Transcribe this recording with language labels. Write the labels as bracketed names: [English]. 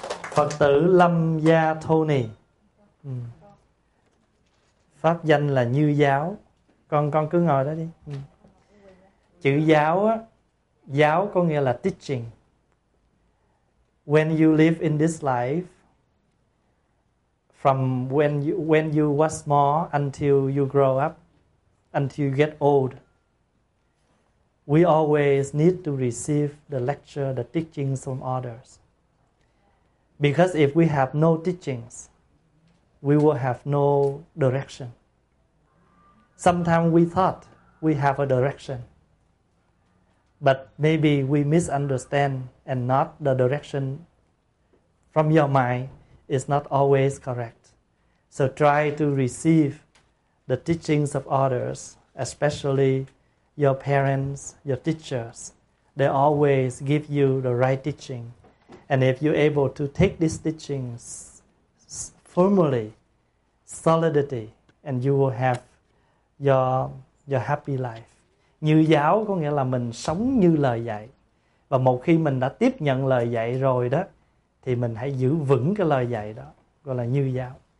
[Vietnamese] Phật tử Lâm Gia Tony. Pháp danh là Như Giáo. Con cứ ngồi đó đi. Chữ giáo á, giáo có nghĩa là teaching. [English] When you live in this life, from when you was small until you grow up, until you get old, we always need to receive the lecture, the teachings from others. Because if we have no teachings, we will have no direction. Sometimes we thought we have a direction, but maybe we misunderstand and not the direction from your mind is not always correct. So try to receive the teachings of others, especially your parents, your teachers. They always give you the right teaching. And if you're able to take these teachings firmly, solidity, and you will have your happy life. [Vietnamese] Như giáo có nghĩa là mình sống như lời dạy. Và một khi mình đã tiếp nhận lời dạy rồi đó, thì mình hãy giữ vững cái lời dạy đó, gọi là như giáo.